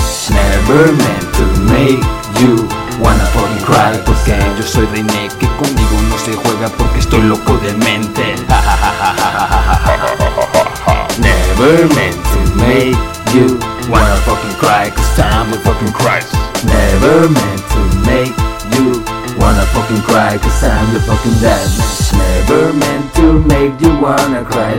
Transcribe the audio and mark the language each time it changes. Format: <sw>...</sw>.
<en>Never meant to make you wanna fucking cry.</en> <es>Porque yo soy Reinecke, conmigo no se juega. Porque estoy loco de mente.</es> <en>Never meant to make you wanna fucking cry. Cause I'm a fucking Christ. Never meant to make you wanna fucking cry. Cause I'm your fucking dad. Never meant to make you wanna cry.</en>